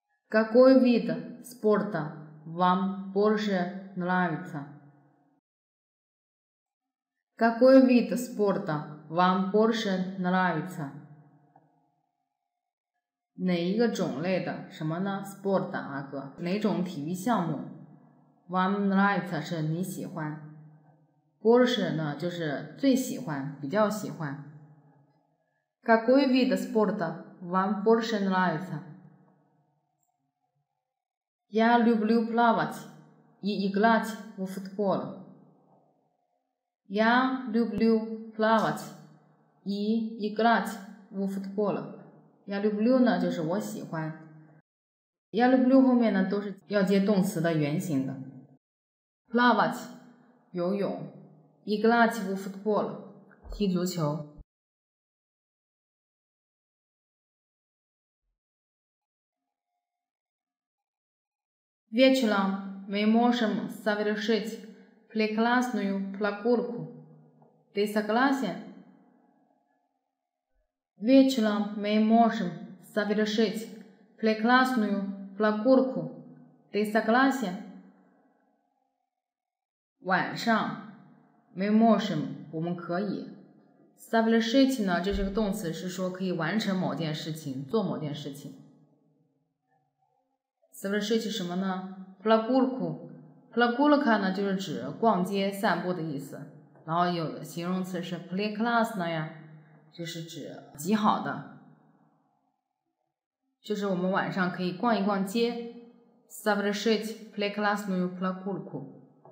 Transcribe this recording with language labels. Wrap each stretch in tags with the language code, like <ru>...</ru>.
<ru>Какой вид спорта вам больше нравится? Какой вид спорта вам больше нравится?</ru> <zh>哪一个种类的什么呢 ？Sport 阿哥，哪种体育项目？</zh> <ru>Вам нравится</ru> <zh>是你喜欢，больше 呢就是最喜欢，比较喜欢。</zh> <ru>Какой вид спорта вам больше нравится？ Я люблю плавать и играть в футбол. Я люблю плавать и играть в футбол. Я люблю</ru> <zh>呢就是我喜欢 Я люблю 后面呢都是要接动词的原型的</zh> <ru>Плавать</ru> <zh>游泳</zh> <ru>Играть в футбол</ru> <zh>踢足球</zh> <ru>Вечером мы можем совершить прекрасную прогулку. Ты согласен? Вечером мы можем совершить прекрасную прогулку. Ты согласен?</ru> <zh>晚上</zh> <ru>мы можем,</ru> <zh>我们可以。 Совершить 呢，这是个动词，是说可以完成某件事情，做某件事情。 Совершить 什么呢？</zh> <ru>Прогулку。</ru> <zh>Прогулка 呢，就是指逛街、散步的意思。然后有形容词是 прекрасная 呀，就是指极好的。就是我们晚上可以逛一逛街。</zh> <ru>Совершить прекрасную прогулку。</ru>